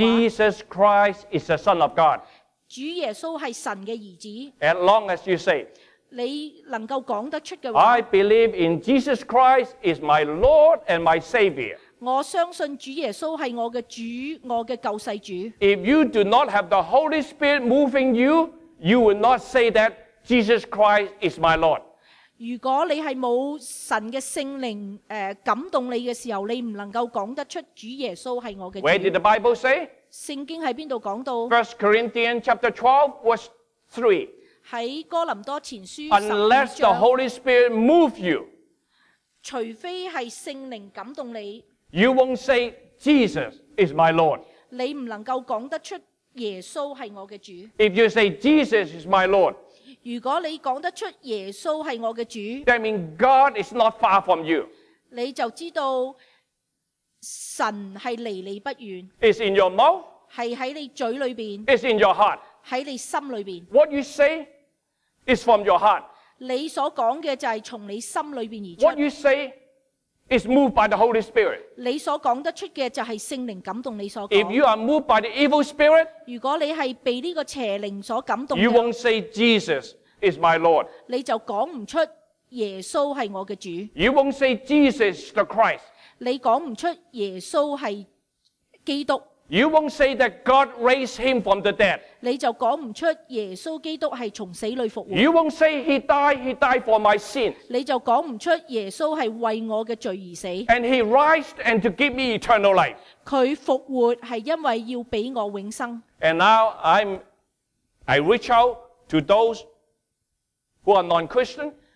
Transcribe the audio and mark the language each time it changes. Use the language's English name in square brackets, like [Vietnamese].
[English] Jesus Christ is the Son of God. [Chinese] 主耶稣是神的儿子 [English] As long as you say, [Chinese] 你能够讲得出的话 [English] I believe in Jesus Christ is my Lord and my Savior. [Chinese] 我相信主耶稣是我的主，我的救世主。 [English] If you do not have the Holy Spirit moving you, you will not say that Jesus Christ is my Lord. [Chinese] 如果你是没有神的圣灵感动你的时候你不能够讲得出主耶稣是我的主。 [English] Where did the Bible say? [Chinese] 圣经在哪里讲到 [English] ?1 Corinthians chapter 12 verse 3. [Chinese] 在哥林多前书 15章 [English] Unless the Holy Spirit move you, [Chinese] 除非是圣灵感动你 [English] you won't say Jesus is my Lord. [Chinese] 你不能够讲得出耶稣是我的主。 [English] If you say Jesus is my Lord, [Chinese] 如果你讲得出耶稣是我的主 [English] That means God is not far from you. [Chinese] 你就知道神是离你不远 [English] It's in your mouth. [Chinese] 是在你嘴里面 [English] It's in your heart. [Chinese] 在你心里面 [English] What you say is from your heart. [Chinese] 你所讲的就是从你心里面而出 [English] What you say is moved by the Holy Spirit. [Chinese] 你所讲得出的就是圣灵感动你所讲 [English] If you are moved by the evil spirit, [Chinese] 如果你是被这个邪灵所感动的 [English] You won't say Jesus is my Lord [Chinese] 你就讲不出耶稣是我的主 [English] You won't say Jesus is the Christ [Chinese] 你讲不出耶稣是基督 [English] You won't say that God raised him from the dead [Chinese] 你就讲不出耶稣基督是从死里复活 [English] You won't say he died for my sins [Chinese] 你就讲不出耶稣是为我的罪而死 [English] And he rised and to give me eternal life [Chinese] 他复活是因为要给我永生 [English] And now I reach out to those who are non-Christian.